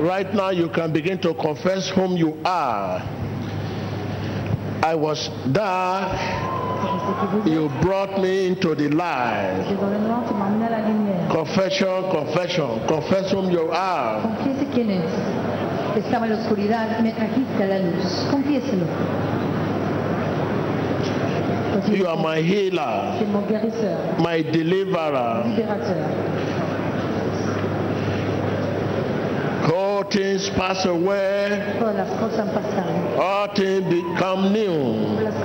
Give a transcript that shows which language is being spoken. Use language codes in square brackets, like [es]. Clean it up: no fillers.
[en] Right now you can begin to confess whom you are. I was there, you brought me into the light. Confession, confession, confess whom you are. [es] Confiese quién es. Estaba en la oscuridad, me trajiste a la luz. Confiéselo. [en] You are my healer, my deliverer. All things pass away, all things become new.